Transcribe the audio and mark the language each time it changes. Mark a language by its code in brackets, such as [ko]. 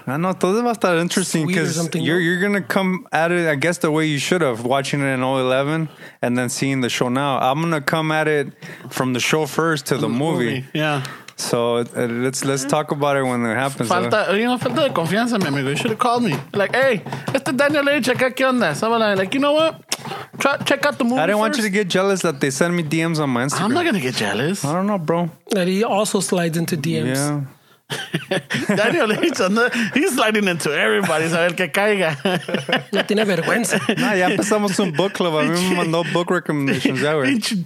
[en] I know, [es] todo va a estar [en] interesting because you're going to come at it, I guess, the way you should have, watching it in 2011 and then seeing the show now. I'm going to come at it from the show first to the movie. Yeah. So let's talk about it when it happens. [es] Falta de confianza, mi amigo. [en] You should have called me. [es] Like, hey, este Daniel H, acá, ¿qué onda? [en] So I'm like, you know what? Check out the movie. I didn't want you to get jealous that they send me DMs on my Instagram. I'm not going to get jealous. I don't know, bro. That he also slides into DMs. Yeah. Daniel H, he's sliding into everybody. [es] A ver que caiga. No tiene vergüenza. Nah, ya empezamos un book club. A mí me mandó [en] book recommendations. [es] Yeah,